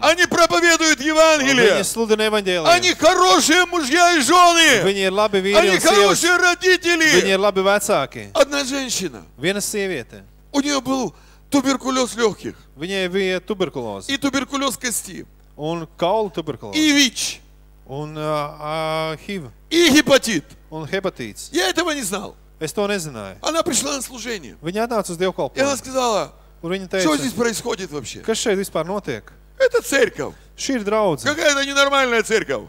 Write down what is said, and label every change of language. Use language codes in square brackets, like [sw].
[ru] Они проповедуют Евангелие. [lv] Viņi sludina Evangeliju. [ru] Они хорошие мужья и жены. [lv] Viņi ir labi vīri un sievas. [ru] Они хорошие родители. [lv] Viņi ir labi vecāki. [ru] Одна женщина. [lv] Viena sieviete. [ru] У неё был туберкулез легких. [lv] Viņai bija tuberkulozes. [ru] И туберкулез кости. [lv] Un kaulu tuberkulozes. [ru] И ВИЧ. [lv] Un HIV. [ru] И гепатит. [lv] Un hepatīts. [ru] Я этого не знал. [lv] Es to nezināju. [ru] Она пришла на служение. [lv] Viņa atnāca uz dievkalpojumu. [ru] И она сказала. [lv] Un viņa teica. [ru] Что здесь происходит вообще? [lv] Kas šeit vispār notiek? [ru] Это церковь. [lv] Šī ir draudze. [ru] Какая это ненормальная церковь.